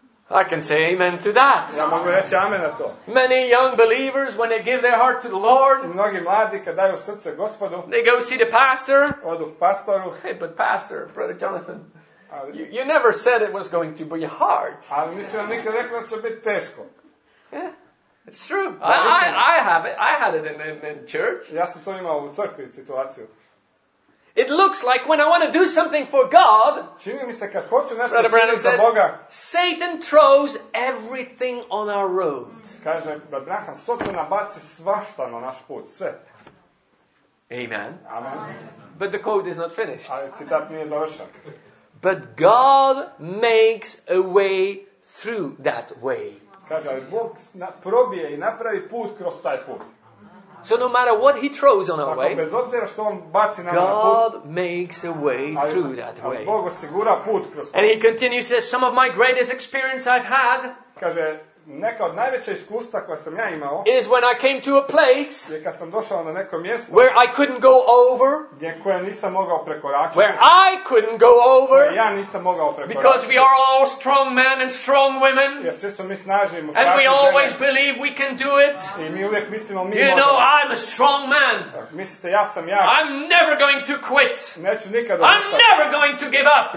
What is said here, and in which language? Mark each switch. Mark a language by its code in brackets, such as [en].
[en] I can say amen to that. [hr] Ja mogu reći amen na to. [en] Many young believers, when they give their heart to the Lord, [hr] mnogi mladi kad daju srce Gospodu, [en] they go see the pastor, [hr] odu k pastoru, [en] hey, but pastor, Brother Jonathan, you never said it was going to be hard. [hr] Ali mislim da nikad rekao da će biti teško. [en] Yeah. It's true. I have it. I had it in church. [hr] Ja sam to imao u crkvi situaciju. [en] It looks like when I want to do something for God, [hr] čini mi se kad hoću nešto [en] Brother Branham says, [hr] Boga, [en] Satan throws everything on our road. [hr] Kaže, Brother Branham, Satan baci svašta na naš put, sve. Amen. Amen. [en] But the quote is not finished. [hr] Ali citat nije završen. [en] But God makes a way through that way. [hr] Kaže, ali Bog probije i napravi put kroz taj put. [en] So no matter what he throws on our [hr] tako, [en] way, [hr] bez obzira što on baci na [en] God [hr] na put, [en] makes a way [hr] ali, [en] through that way. [hr] Bog osigura put kroz [en] and he continues, says, some of my greatest experience I've had, [hr] kaže, neka od najveća iskustva koja sam ja imao, [en] is when I came to a place, [hr] je kad sam došao na neko mjesto, [en] where I couldn't go over, [hr] gdje koje nisam mogao prekoračiti, [en] where I couldn't go over, [hr] koje ja nisam mogao prekoračiti, [en] because we are all strong men and strong women, [hr] jer svi smo mi snažni muškarci, [en] and we always believe we can do it, [hr] i mi uvijek mislimo mi možemo, [en] you know, I'm a strong man, [hr] mislite, ja sam ja, [en] I'm never going to quit, [hr] neću nikad odustati, [en] I'm never going to give up,